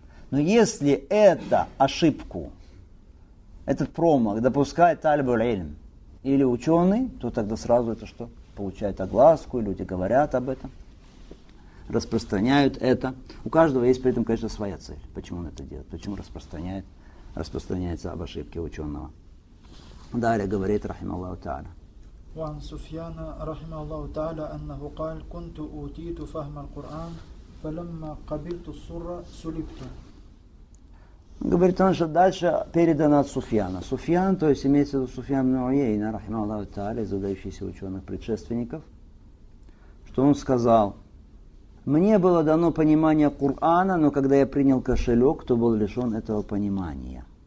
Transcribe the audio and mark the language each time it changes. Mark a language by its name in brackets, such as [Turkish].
[Russian] Но если это ошибку, этот промах допускает тулябу-ля-ильм или ученый, то тогда сразу это что? Получает огласку, и люди говорят об этом. Распространяют это. У каждого есть при этом, конечно, своя цель. Почему он это делает? Почему распространяется об ошибке ученого? Далее говорит рахималлаху тааля. [Arabic] وعن سفيان رحمه الله تعالى أنه قال كنت أوتيت فهم القرآن فلما قبلت السورة سلبت. [Russian] Говорит он, что дальше передано от Суфьяна. Суфьян, то есть имеется в виду Суфьян ибн Уйейна, рахималлаху тааля, из выдающихся ученых предшественников, что он сказал: мне было дано понимание Кур'ана, но когда я принял кошелек, то был лишен этого понимания.